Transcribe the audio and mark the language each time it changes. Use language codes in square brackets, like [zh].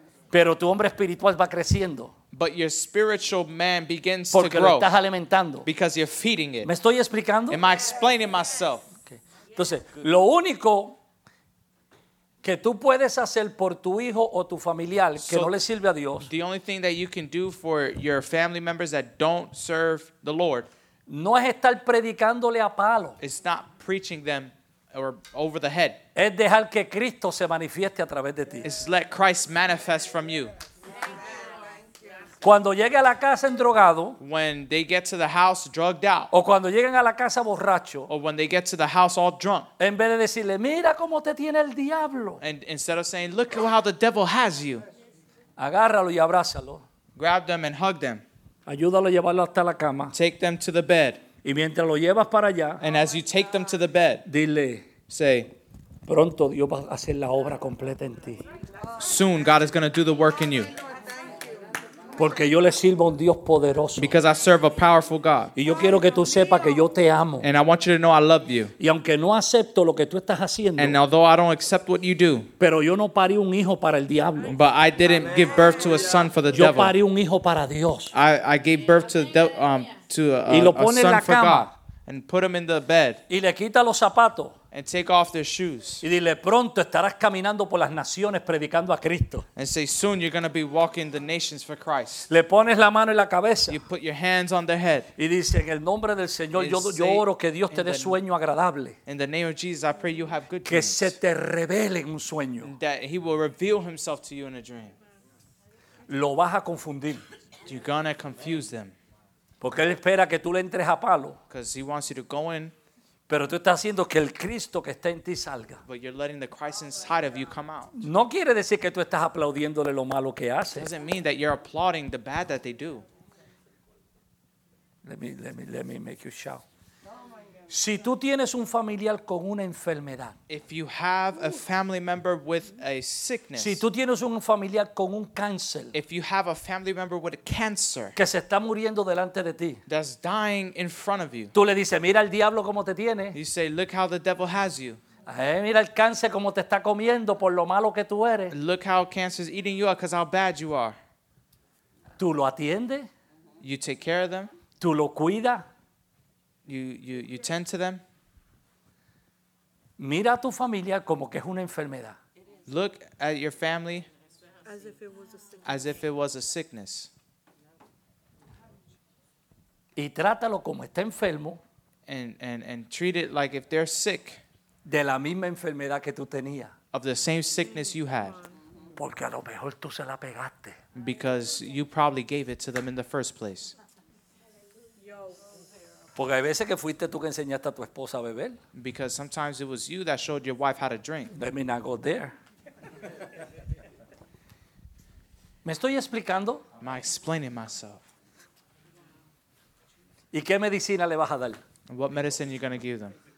[es] Pero tu hombre espiritual va creciendo. [en] But your spiritual man begins [es] porque [en] to grow. [es] Porque lo estás alimentando. [en] Because you're feeding it. [es] ¿Me estoy explicando? [en] Am I explaining myself? Okay. [es] Entonces, lo único que tú puedes hacer por tu hijo o tu familiar que no le sirve a Dios. [en] The only thing that you can do for your family members that don't serve the Lord. [es] No es estar predicándole a palo. [en] It's not preaching them or over the head. [es] Es dejar que Cristo se manifieste a través de ti. [en] It's let Christ manifest from you. [es] Cuando llegue a la casa en drogado, [en] when they get to the house drugged out, [es] o cuando lleguen a la casa borracho, [en] or when they get to the house all drunk, [es] en vez de decirle, mira cómo te tiene el diablo, [en] and instead of saying, look how the devil has you, [es] agárralo y abrázalo, [en] grab them and hug them, [es] ayúdalo a llevarlo hasta la cama, [en] take them to the bed, [es] y mientras lo llevas para allá, [en] and as you take them to the bed, [es] dile, [en] say, [es] pronto Dios va a hacer la obra completa en ti. [en] Soon God is going to do the work in you. [es] Porque yo le sirvo a un Dios poderoso. [en] Because I serve a powerful God. [es] Y yo quiero que tú sepas que yo te amo. [en] And I want you to know I love you. [es] Y aunque no acepto lo que tú estás haciendo. [en] And although I don't accept what you do. [es] Pero yo no parí un hijo para el diablo. [en] But I didn't give birth to a son for the [es] yo [en] devil. [es] Yo parí un hijo para Dios. [en] I gave birth to a son for God. And put him in the bed. [es] Y le quita los zapatos. [en] And take off their shoes. [es] Y dile, pronto estarás caminando por las naciones predicando a Cristo. [en] And say, soon you're going to be walking the nations for Christ. [es] Le pones la mano en la cabeza. [en] You put your hands on their head. [es] Y dice, en el nombre del Señor, yo oro que Dios te dé sueño agradable. [en] In the name of Jesus, I pray you have good [es] que [en] dreams. [es] Que se te revele en un sueño. [en] That he will reveal himself to you in a dream. [es] Lo vas a confundir. [en] You're going to confuse them. [es] Porque él espera que tú le entres a palo. [en] Because he wants you to go in. [es] Pero tú estás haciendo que el Cristo que está en ti salga. [en] But you're letting the Christ inside of you come out. [es] No quiere decir que tú estás aplaudiéndole lo malo que hace. [en] It doesn't mean that you're applauding the bad that they do. Let me make you shout. [es] Si tú tienes un familiar con una enfermedad. [en] If you have a family member with a sickness. [es] Si tú tienes un familiar con un cáncer. [en] If you have a family member with a cancer. [es] Que se está muriendo delante de ti. [en] That's dying in front of you. [es] Tú le dices, mira el diablo cómo te tiene. [en] You say, look how the devil has you. [es] Mira el cáncer cómo te está comiendo por lo malo que tú eres. [en] Look how cancer is eating you up because how bad you are. [es] Tú lo atiendes. [en] You take care of them. [es] Tú lo cuidas. [en] You tend to them. [es] Mira a tu familia como que es una enfermedad. [en] Look at your family as if it was a sickness. [es] Y trátalo como está enfermo. [en] And treat it like if they're sick. [es] De la misma enfermedad que tú tenías. [en] Of the same sickness you had. [es] Porque a lo mejor tú se la pegaste. [en] Because you probably gave it to them in the first place. [es] Porque hay veces que fuiste tú que enseñaste a tu esposa a beber. [en] Because sometimes it was you that showed your wife how to drink. Let me not go there. [es] ¿Me estoy explicando? [en] Am I explaining myself? [es] ¿Y qué medicina le vas a dar? [en] What medicine are you going to give them?